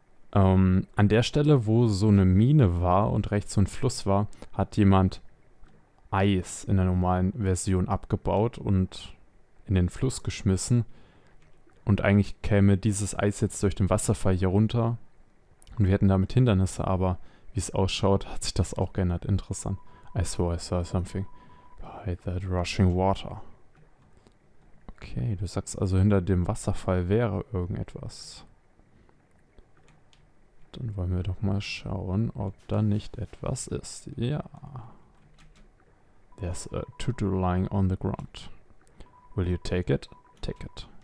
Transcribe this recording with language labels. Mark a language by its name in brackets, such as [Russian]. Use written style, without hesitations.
[German] An der Stelle, wo so eine Mine war und rechts so ein Fluss war, hat jemand Eis in der normalen Version abgebaut und in den Fluss geschmissen. Und eigentlich käme dieses Eis jetzt durch den Wasserfall hier runter. Und wir hätten damit Hindernisse, aber wie es ausschaut, hat sich das auch geändert. Interessant. [English] I swear I saw something by that rushing water. [German] Okay, du sagst also, hinter dem Wasserfall wäre irgendetwas. Dann wollen wir doch mal schauen, ob da nicht etwas ist. [English] Ja. There's a tutu lying on the ground. Will you take it? Take it.